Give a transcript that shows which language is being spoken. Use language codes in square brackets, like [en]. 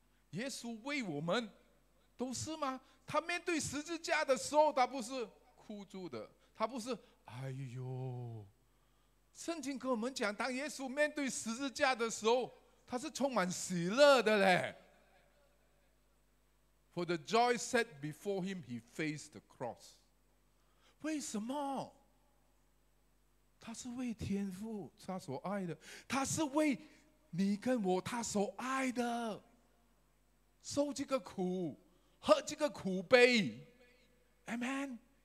[zh] 耶稣为我们都是吗？他面对十字架的时候，他不是哭住的，他不是哎呦。圣经跟我们讲，当耶稣面对十字架的时候，他是充满喜乐的嘞。 [en] For the joy set before him, he faced the cross. [zh] 为什么？他是为天父他所爱的，他是为你跟我他所爱的，受这个苦，喝这个苦杯。 Amen.